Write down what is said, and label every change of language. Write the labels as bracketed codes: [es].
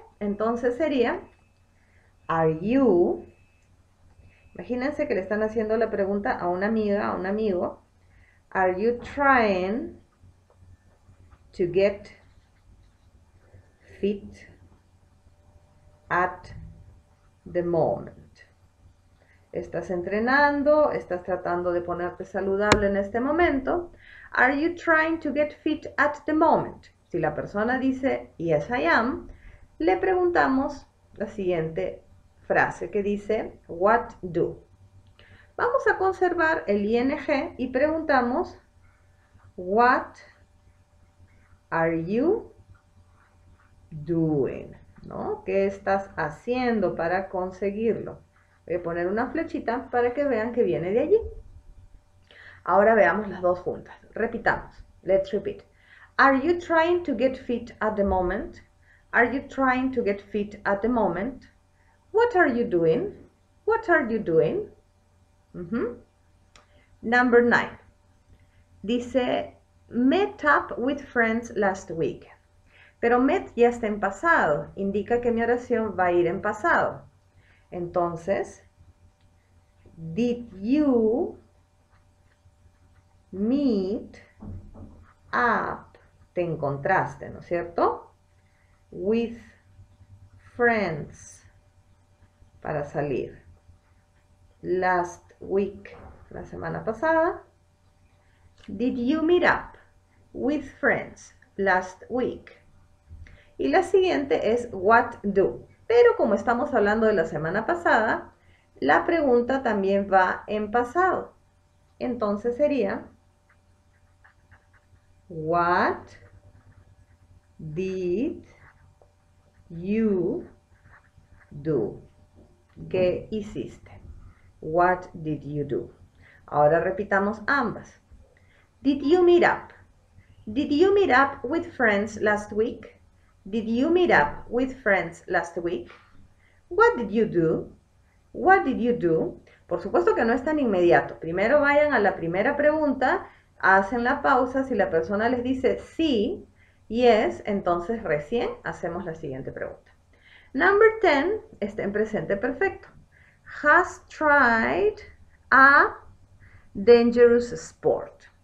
[es] Entonces sería, imagínense que le están haciendo la pregunta a una amiga, a un amigo, [en] are you trying to get fit at the moment? [es] ¿Estás entrenando? ¿Estás tratando de ponerte saludable en este momento? [en] Are you trying to get fit at the moment? [es] Si la persona dice, [en] yes I am, [es] le preguntamos la siguiente frase que dice, [en] what do? [es] Vamos a conservar el ING y preguntamos, [en] what are you doing? [es] ¿No? ¿Qué estás haciendo para conseguirlo? Voy a poner una flechita para que vean que viene de allí. Ahora veamos las dos juntas. Repitamos. [en] Let's repeat. Are you trying to get fit at the moment? Are you trying to get fit at the moment? What are you doing? What are you doing? Number 9. Dice, met up with friends last week. [es] Pero met ya está en pasado. Indica que mi oración va a ir en pasado. [en] Entonces, did you meet up? [es] Te encontraste, ¿no es cierto? [en] With friends. [es] Para salir. [en] Last week. [es] La semana pasada. [en] Did you meet up with friends last week? [es] Y la siguiente es [en] what do. [es] Pero como estamos hablando de la semana pasada, la pregunta también va en pasado. Entonces sería, [en] what did you do? [es] ¿Qué hiciste? [en] What did you do? [es] Ahora repitamos ambas. [en] Did you meet up? Did you meet up with friends last week? Did you meet up with friends last week? What did you do? What did you do? [es] Por supuesto que no es tan inmediato. Primero vayan a la primera pregunta, hacen la pausa. Si la persona les dice sí, yes, entonces recién hacemos la siguiente pregunta. [en] Number 10, [es] está en presente perfecto. [en] Has tried a dangerous sport.